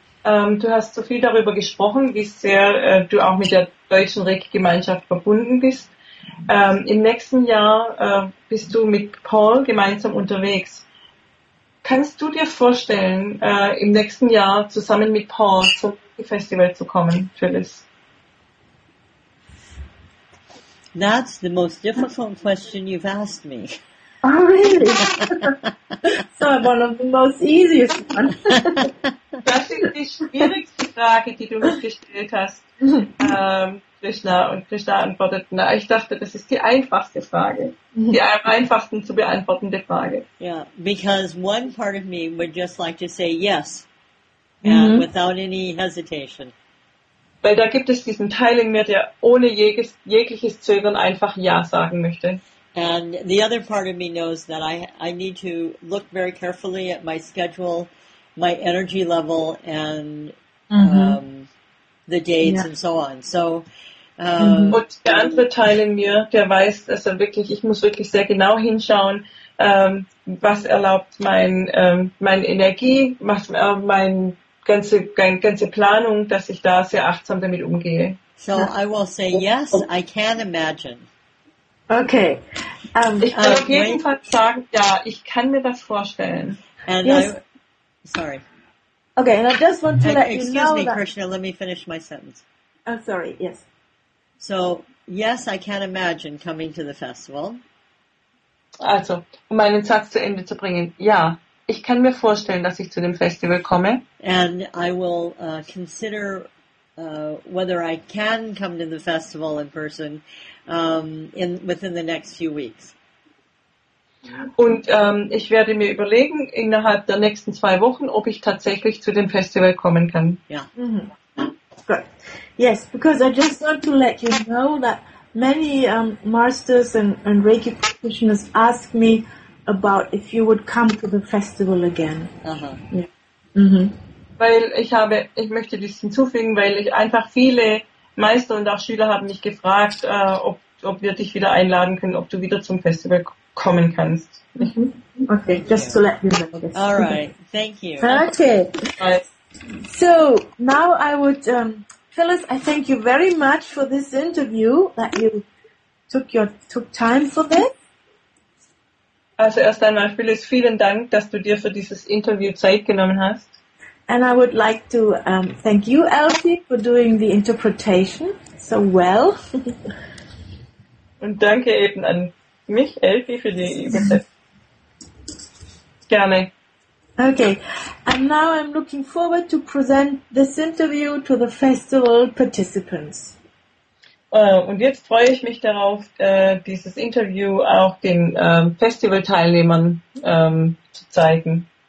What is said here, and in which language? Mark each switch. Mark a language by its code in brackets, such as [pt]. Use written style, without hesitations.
[de] Du hast so viel darüber gesprochen, wie sehr du auch mit der deutschen Reiki-Gemeinschaft verbunden bist. Im nächsten Jahr bist du mit Paul gemeinsam unterwegs. Kannst du dir vorstellen, im nächsten Jahr zusammen mit Paul zum Reiki-Festival zu kommen, Phyllis? [en] That's the most difficult question you've asked me. Oh, really? So one of the most easiest ones. [de] Das ist die schwierigste Frage, die du mir gestellt hast, Krishna. Und Krishna antwortet, na, ich dachte, das ist die einfachste Frage. Die am einfachsten zu beantwortende Frage. [en] Yeah, because one part of me would just like to say yes. Yeah, mm-hmm. Without any hesitation. [de] Weil da gibt es diesen Teil in mir, der ohne jegliches Zögern einfach Ja sagen möchte. [en] And the other part of me knows that I need to look very carefully at my schedule, my energy level, and mm-hmm. The dates and so on. So, [de] Und der andere Teil in mir, der weiß, dass er wirklich, ich muss wirklich sehr genau hinschauen, was erlaubt meine Energie, was meine ganze Planung, dass ich da sehr achtsam damit umgehe. [en] So I will say yes, I can imagine. Okay. [de] Ich kann auf jeden Fall sagen, ja, ich kann mir das vorstellen. [en] And yes. Sorry. Okay, and I just want to let you know that... Excuse me, Krishna, let me finish my sentence. I'm sorry, yes. So, yes, I can imagine coming to the festival. [de] Also, um meinen Satz zu Ende zu bringen, ja, ich kann mir vorstellen, dass ich zu dem Festival komme. [en] And I will consider whether I can come to the festival in person within the next few weeks. [de] Und ich werde mir überlegen, innerhalb der nächsten 2 Wochen, ob ich tatsächlich zu dem Festival kommen kann. Ja. [en] Mm-hmm. Good. Yes, because I just want to let you know that many masters and Reiki practitioners ask me about if you would come to the festival again. Uh-huh. Yeah. Mm-hmm. [de] Weil ich möchte das hinzufügen, weil ich einfach viele Meister und auch Schüler haben mich gefragt, ob wir dich wieder einladen können, ob du wieder zum Festival kommen kannst. [en] Mm-hmm. Okay, just to let you know this. All right, thank you. Okay. So, now I would, Phyllis, I thank you very much for this interview, that you took time for this. [de] Also erst einmal, Phyllis, vielen Dank, dass du dir für dieses Interview Zeit genommen hast. [en] And I would like to thank you, Elsie, for doing the interpretation so well. [de] Und danke eben an mich, Elsie, für die Übersetzung. Gerne. [en] Okay. And now I'm looking forward to present this interview to the festival participants. [de] Und jetzt freue ich mich darauf, dieses Interview auch den Festivalteilnehmern zu zeigen.